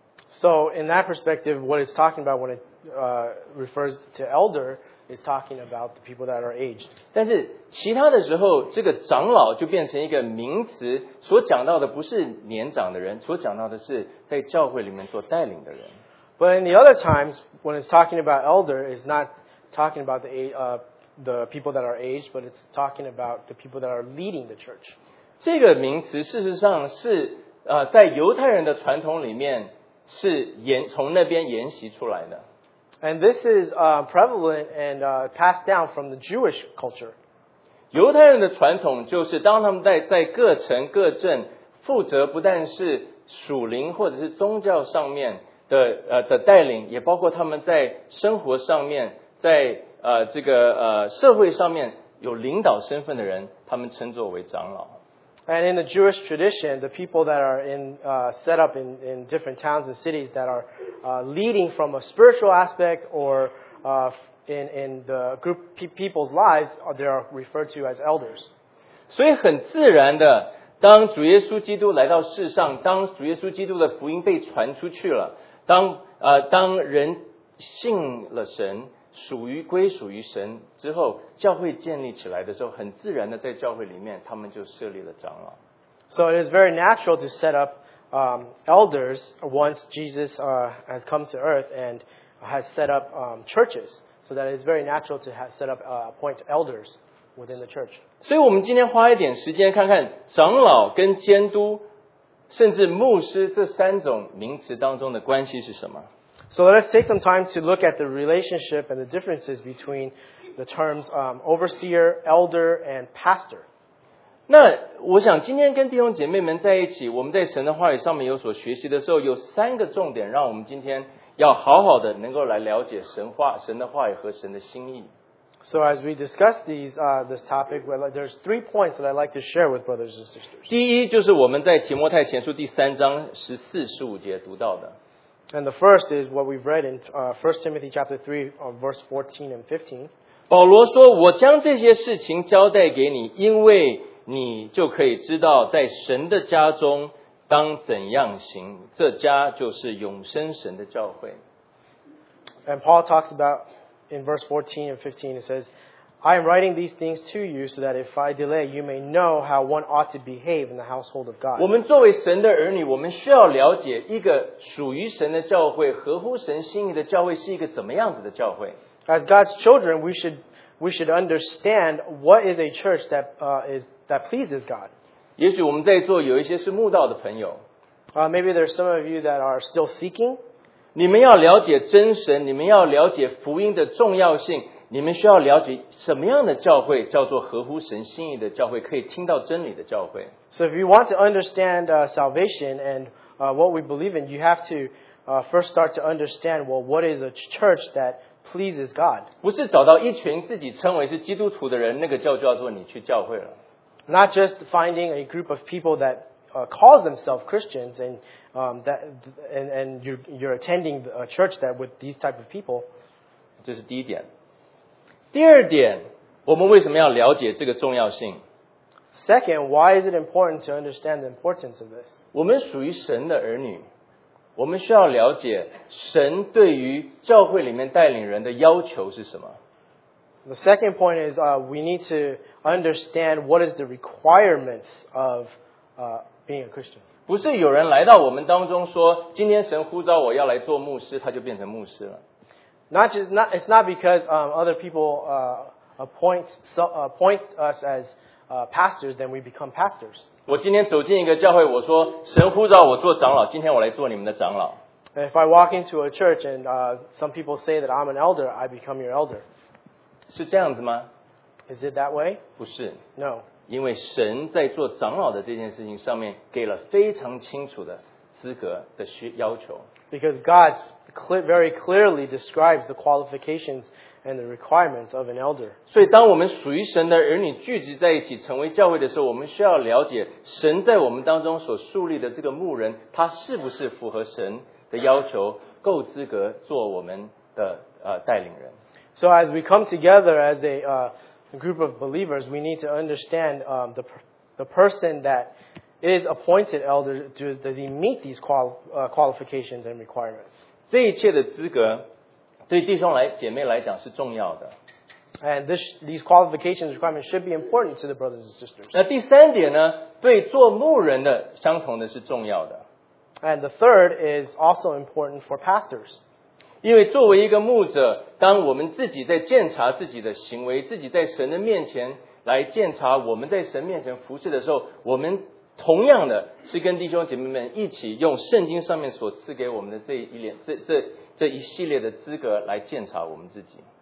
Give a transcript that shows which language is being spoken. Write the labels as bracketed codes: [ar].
[en] So in that perspective, what it's talking about when it refers to elder is talking about the people that are aged. [zh] 但是其他的时候，这个长老就变成一个名词，所讲到的不是年长的人，所讲到的是在教会里面做带领的人。 [en] But in the other times, when it's talking about elder, it's not talking about the people that are aged, but it's talking about the people that are leading the church. [zh] 这个名词事实上是在犹太人的传统里面是从那边沿袭出来的。 [en] And this is prevalent and passed down from the Jewish culture. [zh] 犹太人的传统就是当他们在各城各镇负责不但是属灵或者是宗教上面的的带领，也包括他们在生活上面，在这个社会上面有领导身份的人，他们称作为长老。 [en] And in the Jewish tradition, the people that are in set up in different towns and cities that are leading from a spiritual aspect or in the group people's lives, they are referred to as elders. [zh] 所以很自然的，当主耶稣基督来到世上，当主耶稣基督的福音被传出去了，当人信了神，属于归属于神之后，教会建立起来的时候，很自然的在教会里面，他们就设立了长老。 [en] So it is very natural to set up elders once Jesus has come to earth and has set up churches. So that it's very natural to have set up appoint elders within the church. [zh] 所以我们今天花一点时间看看长老跟监督，甚至牧师这三种名词当中的关系是什么。 [en] So let us take some time to look at the relationship and the differences between the terms overseer, elder, and pastor. [zh] 那我想今天跟弟兄姐妹们在一起，我们在神的话语上面有所学习的时候，有三个重点让我们今天要好好的能够来了解神的话语和神的心意。 [en] So as we discuss this topic, there's three points that I'd like to share with brothers and sisters. [zh] 第一就是我们在提摩太前书第三章十四、十五节读到的。 [en] And the first is what we've read in 1 Timothy chapter 3, verse 14 and 15. [zh] 保罗说，我将这些事情交代给你，因为你就可以知道在神的家中当怎样行，这家就是永生神的教会。 [en] And Paul talks about in verse 14 and 15, it says, I am writing these things to you so that if I delay, you may know how one ought to behave in the household of God. [zh] 我们作为神的儿女，我们需要了解一个属于神的教会、合乎神心意的教会是一个怎么样子的教会。 [en] As God's children, we should understand what is a church that pleases God. [zh] 也许我们在座有一些是慕道的朋友。 [en] Maybe there are some of you that are still seeking. [zh] 你们要了解真神，你们要了解福音的重要性。你们需要了解什么样的教会叫做合乎神心意的教会，可以听到真理的教会。 [en] So if you want to understand salvation and what we believe in, you have to first start to understand, well, what is a church that pleases God? [zh] 不是找到一群自己称为是基督徒的人，那个叫做你去教会了。 [en] Not just finding a group of people that calls themselves Christians and you're attending a church that with these type of people. [zh] 这是第一点。第二点，我们为什么要了解这个重要性 [en] ？Second, why is it important to understand the importance of this? [zh] 我们属于神的儿女，我们需要了解神对于教会里面带领人的要求是什么。 [en] The second point is, we need to understand what is the requirements of being a Christian. [zh] 不是有人来到我们当中说，今天神呼召我要来做牧师，他就变成牧师了。 [en] It's not because other people appoint us as pastors, then we become pastors. [zh] 我今天走进一个教会，我说神呼召我做长老，今天我来做你们的长老。 [en] If I walk into a church and some people say that I'm an elder, I become your elder. [zh] 是这样子吗？ [en] Is it that way? [zh] 不是。 [en] No. [zh] 因为神在做长老的这件事情上面给了非常清楚的资格的要求。 [en] Because God's very clearly describes the qualifications and the requirements of an elder. [zh] 所以当我们属于神的儿女聚集在一起成为教会的时候，我们需要了解神在我们当中所树立的这个牧人，他是不是符合神的要求，够资格做我们的带领人。 [en] So as we come together as a group of believers, we need to understand the person that is appointed elder, does he meet these qualifications and requirements? [zh] 这一切的资格对弟兄来姐妹来讲是重要的。 [en] And these qualifications requirements should be important to the brothers and sisters. [zh] 那第三点呢，对做牧人的相同的是重要的。 [en] And the third is also important for pastors. [zh] 因为作为一个牧者，当我们自己在检查自己的行为，自己在神的面前来检查我们在神面前服事的时候，我们同样的是跟弟兄姐妹们一起用圣经上面所赐给我们的这一系列的资格来检查我们自己。